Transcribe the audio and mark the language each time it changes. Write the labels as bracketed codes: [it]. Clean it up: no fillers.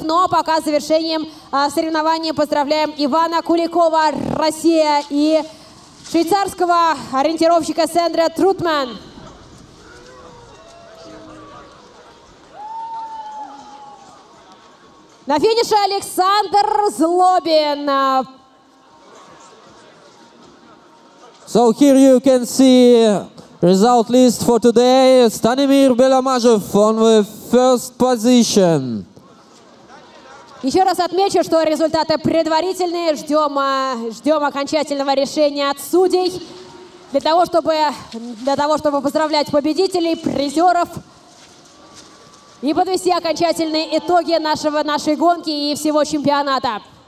[ru] Но пока завершением соревнований поздравляем Ивана Куликова, Россия, и швейцарского ориентировщика Сэндра Трутман. На финише Александр Злобин. [en] So here you can see result list for today. Станимир Беломажев on the first position. [ru] Еще раз отмечу, что результаты предварительные. Ждем окончательного решения от судей для того, чтобы поздравлять победителей, призеров и подвести окончательные итоги нашей гонки и всего чемпионата.